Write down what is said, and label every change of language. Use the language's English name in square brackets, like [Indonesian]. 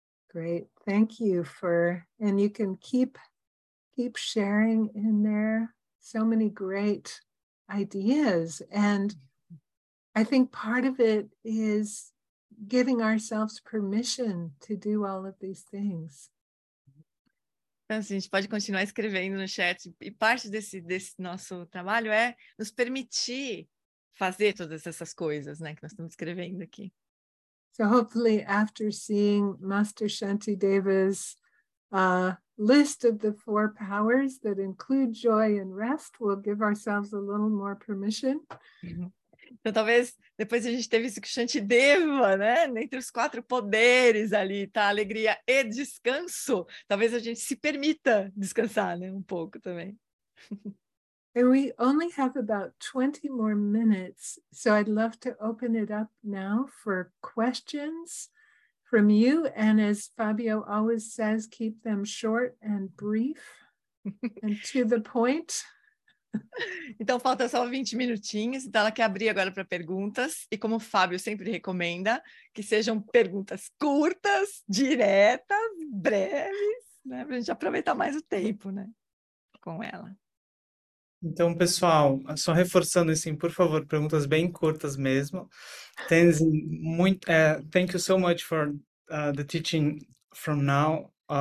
[English] Great, thank you and you can keep sharing in there. So many great ideas. And I think part of it is giving ourselves permission to do all of these things. [Portuguese] A gente pode continuar escrevendo no chat, e parte desse nosso trabalho é nos permitir fazer todas essas coisas, né, que nós estamos escrevendo aqui. [English] So hopefully after seeing Master Shantideva's list of the four powers that include joy and rest, we'll give ourselves a little more permission. [Portuguese] Então talvez depois a gente ter visto que Shantideva, né, entre os quatro poderes ali, tá, alegria e descanso, talvez a gente se permita descansar, né, um pouco também. [English] And we only have about 20 more minutes, so I'd love to open it up now for questions from you, and as Fabio always says, keep them short and brief and to the point. [Portuguese] Então, falta só 20 minutinhos, então ela quer abrir agora para perguntas, e como o Fábio sempre recomenda, que sejam perguntas curtas, diretas, breves, né? Para a gente aproveitar mais o tempo, né? Com ela. Então, pessoal, só reforçando assim, por favor, perguntas bem curtas mesmo. [English] Tenzin, [Portuguese] muito, [English] thank you so much for the teaching from now.